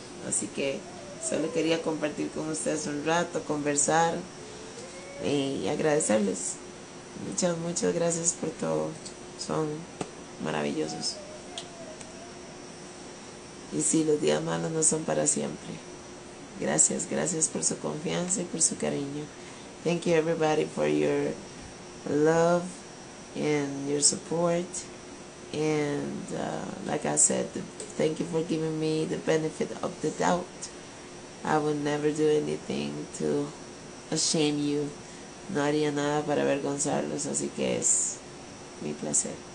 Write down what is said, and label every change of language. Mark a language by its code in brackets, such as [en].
[es] Así que solo quería compartir con ustedes un rato, conversar y agradecerles. Muchas, muchas gracias por todo. Son maravillosos. Y sí, los días malos no son para siempre. Gracias, gracias por su confianza y por su cariño. [en] Thank you everybody for your love and your support. And like I said, thank you for giving me the benefit of the doubt. I would never do anything to shame you. [es] No haría nada para avergonzarlos, así que es mi placer.